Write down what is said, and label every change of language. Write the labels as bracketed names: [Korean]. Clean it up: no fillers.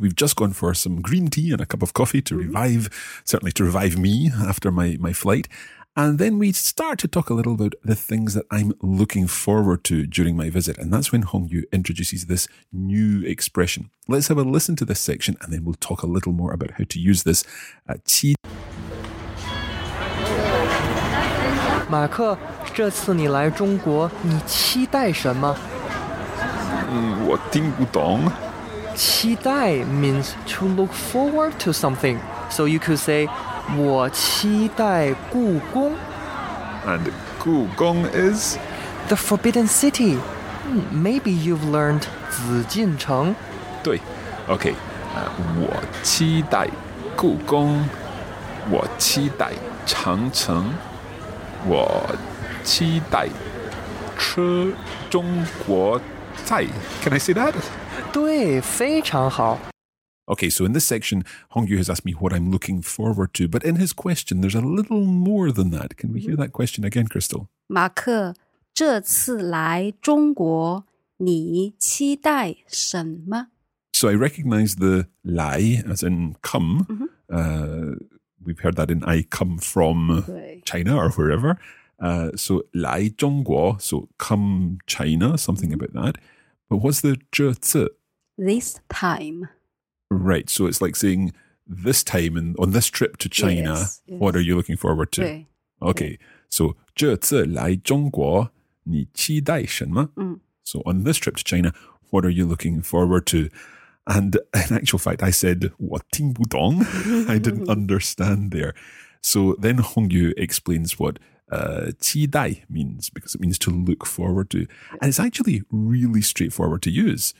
[English] We've just gone for some green tea and a cup of coffee to revive, certainly to revive me after my flight. And then we start to talk a little about the things that I'm looking forward to during my visit. And that's when Hong Yu introduces this new expression. Let's have a listen to this section and then we'll talk a little more about how to use this. [Chinese] 马克，这次你来中国，你期待什么？我听不懂。 [English] 期待 means to look forward to something. So you could say, [Chinese] 我期待故宫。 [English] And 故宫 is? The Forbidden City. Maybe you've learned [Chinese] 紫禁城。对。 [English] Okay. [Chinese] 我期待故宫。我期待长城。我期待吃中国菜。 [English] Can I say that? [Chinese] 对，非常好。 [English] Okay, so in this section, Hong Yu has asked me what I'm looking forward to, but in his question, there's a little more than that. Can we hear that question again, Crystal? [Chinese] 马克，这次来中国，你期待什么？ [English] So I recognize the 来 as in come. We've heard that in I come from China or wherever. So [Chinese] 来中国, [English] so come China, something about that. But what's the [Chinese] 这次? [English] This time. Right, so it's like saying this time and on this trip to China, yes, yes. What are you looking forward to? Okay, [Chinese] So, 这次来中国,你期待什么? [English] So, on this trip to China, what are you looking forward to? And in actual fact, I said, [Chinese] 我听不懂, [English] I didn't understand there. So then Hong Yu explains what 期待 means, because it means to look forward to. And it's actually really straightforward to use.